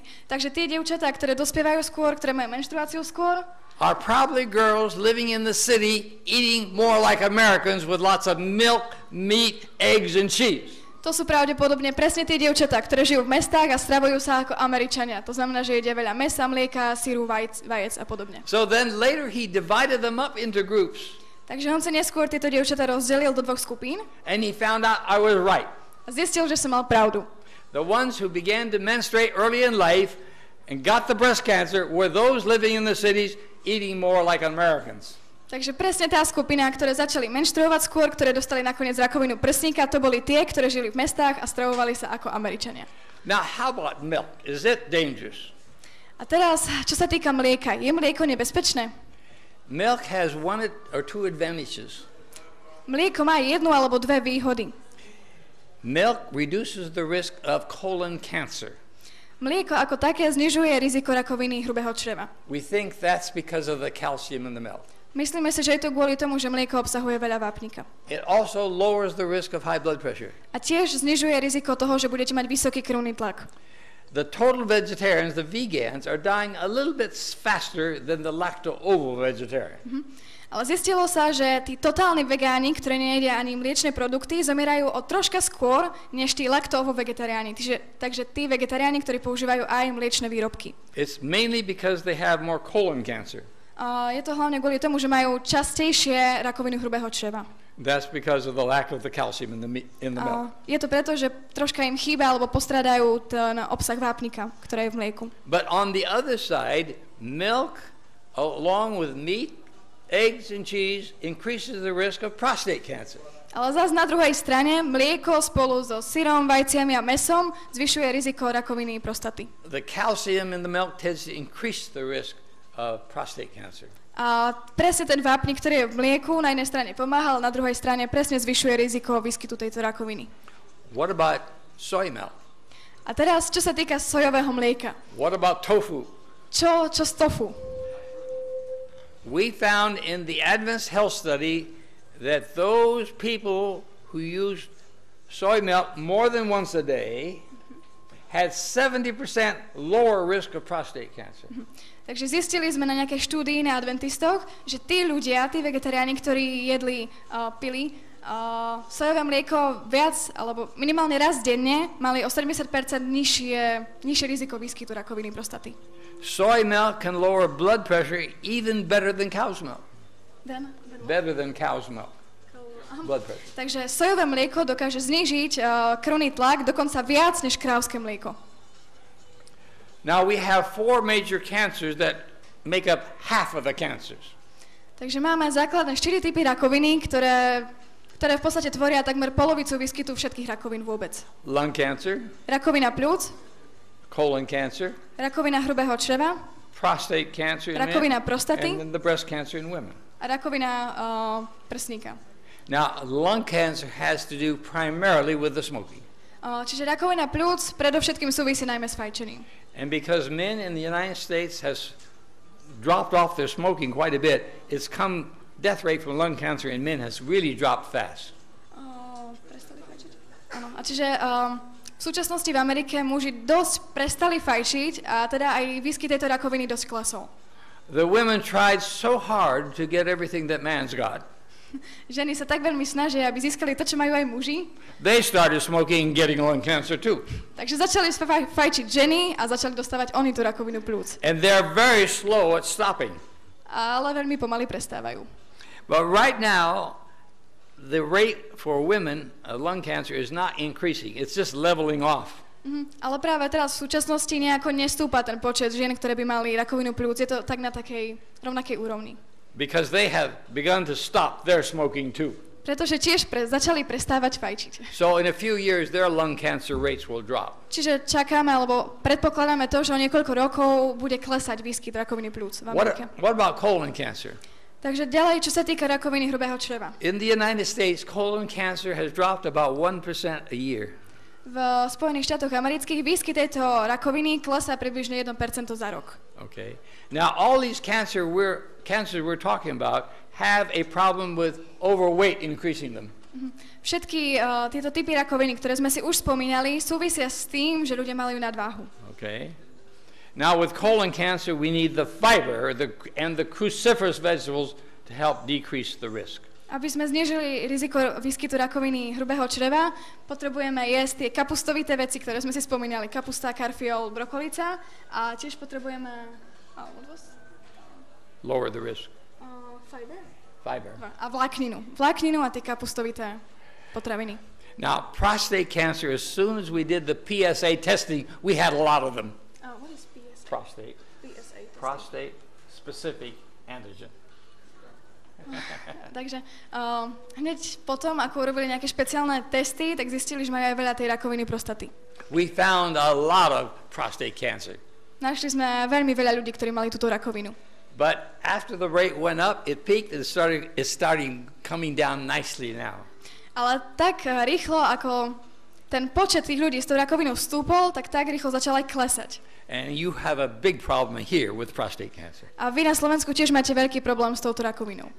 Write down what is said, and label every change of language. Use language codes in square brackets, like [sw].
[sk] Takže tie dievčatá, ktoré dospievajú skôr, ktoré majú menštruáciu skôr, [en] are probably girls living in the city eating more like Americans with lots of milk, meat, eggs and cheese. [sk] To sú pravdepodobne presne tie dievčatá, ktoré žijú v mestách a stravujú sa ako Američania. To znamená, že jedia veľa mesa, mlieka, syru, vajec a podobne. [en] So then later he divided them up into groups. [sk] Takže on sa neskôr tieto dievčatá rozdelil do dvoch skupín. [en] And he found out I was right. [sk] A zistil, že som mal pravdu. [en] The ones who began to menstruate early in life and got the breast cancer were those living in the cities eating more like Americans. [sk] Takže presne tá skupina, ktoré začali menštruovať skôr, ktoré dostali nakoniec rakovinu prsníka, to boli tie, ktoré žili v mestách a stravovali sa ako Američania. [en] Now, how about milk? Is it dangerous? [sk] A teraz, čo sa týka mlieka, je mlieko nebezpečné? [en] Milk has one or two advantages. [sk] Mlieko má jednu alebo dve výhody. [en] Milk reduces the risk of colon cancer. [sk] Mlieko ako také znižuje riziko rakoviny hrubého čreva. [en] We think that's because of the calcium in the milk. [sk] Myslíme si, že je to kvôli tomu, že mlieko obsahuje veľa vápnika. [en] It also lowers the risk of high blood pressure. [sk] A tiež znižuje riziko toho, že budete mať vysoký krvný tlak. [en] The total vegetarians, the vegans, are dying a little bit faster than the lacto-oval vegetarian. [sk] Ale zistilo sa, že tí totálni vegáni, ktorí nejedia ani mliečne produkty, zomierajú o troška skôr než tí lacto-oval vegetariáni. Takže tí vegetariáni, ktorí používajú aj mliečne výrobky. [en] It's mainly because they have more colon cancer. [sk] Je to hlavne kvôli tomu, že majú častejšie rakovinu hrubého čreva. [en] That's because of the lack of the calcium in the milk. [sk] Je to preto, že troška im chýba alebo postrádajú ten obsah vápnika, ktorý je v mlieku. [en] But on the other side, milk along with meat, eggs and cheese increases the risk of prostate cancer. [sk] Ale zas na druhej strane, mlieko spolu so syrom, vajciami a mesom zvyšuje riziko rakoviny prostaty. [en] The calcium in the milk tends to increase the risk of prostate cancer. [sk] A presne ten vápnik, ktorý je v mlieku, na jednej strane pomáhal, na druhej strane presne zvyšuje riziko výskytu tejto rakoviny. [en] What about soy milk? [sk] A teraz, čo sa týka sojového mlieka? [en] What about tofu? [sk] Čo s tofu? [en] We found in the Advanced Health Study that those people who used soy milk more than once a day had 70% lower risk of prostate cancer. [sk] Takže zistili sme na nejakej štúdii na adventistoch, že tí ľudia, tí vegetariáni, ktorí jedli, pili sojové mlieko viac, alebo minimálne raz denne, mali o 70% nižšie riziko výskytu rakoviny prostaty. [en] Soy milk can lower blood pressure even better than cow's milk. Better than cow's milk. Blood pressure. [sk] Takže sojové mlieko dokáže znižiť krvný tlak dokonca viac než krávske mlieko. [en] Now we have four major cancers that make up half of the cancers. [sk] Takže máme základné 4 typy rakoviny, ktoré v podstate tvoria takmer polovicu výskytu všetkých rakovín vôbec. [en] Lung cancer. [sk] Rakovina pľúc. [en] Colon cancer. [sk] Rakovina hrubého čreva. [en] Prostate cancer. [sk] Rakovina prostaty. [en] And then the breast cancer in women. [sk] A rakovina prsníka. [en] Now lung cancer has to do primarily with the smoking. [sk] Čiže rakovina pľúc predovšetkým súvisí najmä s fajčením. [en] And because men in the United States has dropped off their smoking quite a bit, it's come death rate from lung cancer in men has really dropped fast. [sk] V súčasnosti v Amerike muži dosť prestali fajčiť a teda aj výskyt tejto rakoviny dosť klesol. [en] The women tried so hard to get everything that man's got. [sk] Ženy sa tak veľmi snažia, aby získali to, čo majú aj muži. [en] They started smoking and getting lung cancer too. [sk] Takže začali fajčiť ženy a začali dostávať oni tú rakovinu pľúc. [en] And they're very slow at stopping. [sk] Ale veľmi pomaly prestávajú. [en] But right now, the rate for women of lung cancer is not increasing. It's just leveling off. [sk] Ale práve teraz v súčasnosti nejako nestúpa ten počet žien, ktoré by mali rakovinu pľúc. Je to tak na takej rovnakej úrovni. [en] Because they have begun to stop their smoking too. [sk] Pretože tiež začali prestávať fajčiť. [en] So in a few years their lung cancer rates will drop. [sk] Čiže čakáme alebo predpokladáme to, že o niekoľko rokov bude klesať výskyt rakoviny pľúc v Amerike. [en] What about colon cancer? [sk] Takže ďalej, čo sa týka rakoviny hrubého čreva. [en] In the United States colon cancer has dropped about 1% a year. [sk] V Spojených štátoch amerických výskyt tejto rakoviny klesá približne 1% za rok. [en] Okay. Now all these cancers we're talking about have a problem with overweight increasing them. [sk] Všetky tieto typy rakoviny, ktoré sme si už spomínali, súvisia s tým, že ľudia majú nadváhu. [en] Okay. Now with colon cancer we need the fiber and the cruciferous vegetables to help decrease the risk. [sk] Aby sme znížili riziko výskytu rakoviny hrubého čreva, potrebujeme jesť tie kapustovité veci, ktoré sme si spomínali, kapusta, karfiol, brokolica, a tiež potrebujeme [en] lower the risk. [sk] Fiber. A vlákninu. Vlákninu a tie kapustovité potraviny. [en] Now, prostate cancer, as soon as we did the PSA testing, we had a lot of them. What is PSA? Prostate. PSA testing. Prostate specific antigen. [sk] Takže hneď potom, ako urobili nejaké špeciálne testy, tak zistili, že majú aj veľa tej rakoviny prostaty. [en] We found a lot of prostate cancer. [sk] Našli sme veľmi veľa ľudí, ktorí mali túto rakovinu. [en] But after the rate went up, it peaked and it's starting coming down nicely now. [sk] Ale tak rýchlo, ako ten počet tých ľudí s tou rakovinou stúpol, tak rýchlo začal aj klesať. [en] And you have a big problem here with prostate cancer. [sk] A vy na Slovensku tiež máte veľký problém s touto rakovinou.